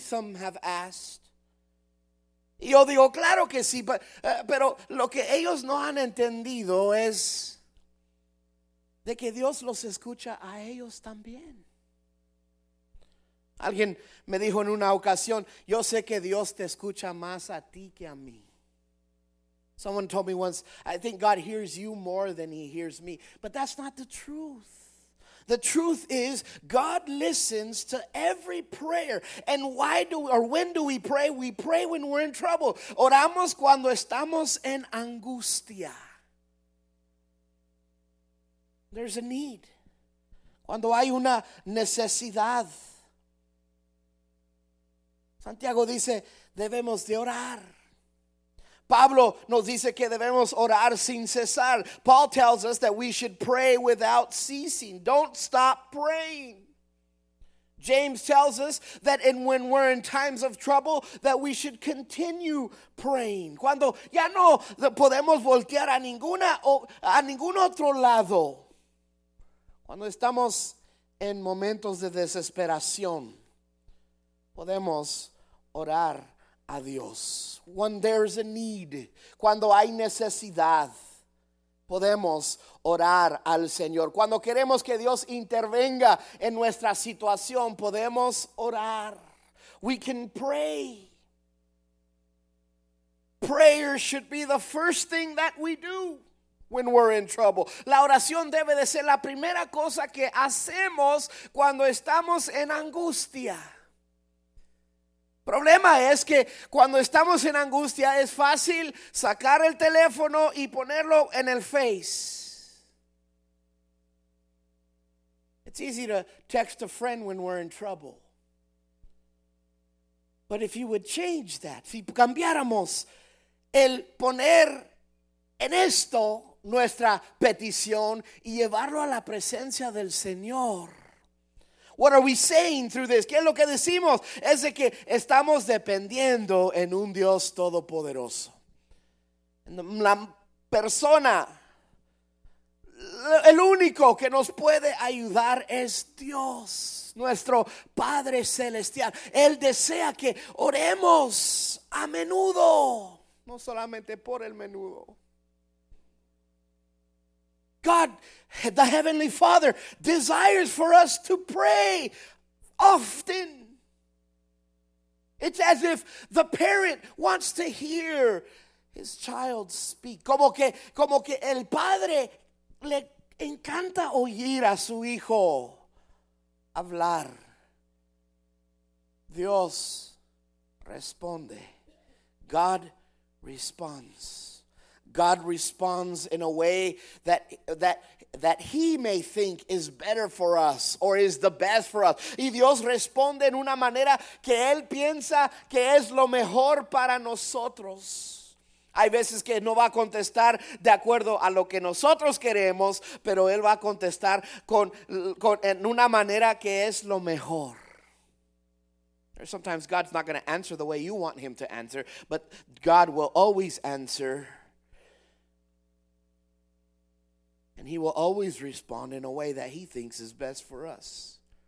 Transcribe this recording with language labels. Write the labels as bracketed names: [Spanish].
[English] Some have asked. [Spanish] Y yo digo, claro que sí, pero lo que ellos no han entendido es de que Dios los escucha a ellos también. Alguien me dijo en una ocasión, yo sé que Dios te escucha más a ti que a mí. [English] Someone told me once, I think God hears you more than he hears me. But that's not the truth. The truth is God listens to every prayer. And why do we, or when do we pray? We pray when we're in trouble. [Spanish] Oramos cuando estamos en angustia. [English] There's a need. [Spanish] Cuando hay una necesidad. Santiago dice, debemos de orar. Pablo nos dice que debemos orar sin cesar. [English] Paul tells us that we should pray without ceasing. Don't stop praying. James tells us that when we're in times of trouble, that we should continue praying. [Spanish] Cuando ya no podemos voltear a ningún otro lado. Cuando estamos en momentos de desesperación, podemos orar a Dios. [English] When there's a need, [Spanish] cuando hay necesidad, podemos orar al Señor. Cuando queremos que Dios intervenga en nuestra situación, podemos orar. [English] We can pray. Prayer should be the first thing that we do when we're in trouble. [Spanish] La oración debe de ser la primera cosa que hacemos cuando estamos en angustia. Problema es que cuando estamos en angustia es fácil sacar el teléfono y ponerlo en el Face. [English] It's easy to text a friend when we're in trouble. But if you would change that, [Spanish] si cambiáramos el poner en esto nuestra petición y llevarlo a la presencia del Señor. [English] What are we saying through this? [Spanish] ¿Qué es lo que decimos? Es de que estamos dependiendo en un Dios todopoderoso. La persona, el único que nos puede ayudar es Dios, nuestro Padre Celestial. Él desea que oremos a menudo, no solamente por el menudo. [English] God, the Heavenly Father, desires for us to pray often. It's as if the parent wants to hear his child speak. [Spanish] Como que el padre le encanta oír a su hijo hablar. Dios responde. [English] God responds. God responds in a way that he may think is better for us or is the best for us. [Spanish] Y Dios responde en una manera que él piensa que es lo mejor para nosotros. Hay veces que no va a contestar de acuerdo a lo que nosotros queremos, pero él va a contestar en una manera que es lo mejor. [English] Sometimes God's not going to answer the way you want him to answer, but God will always answer. And he will always respond in a way that he thinks is best for us.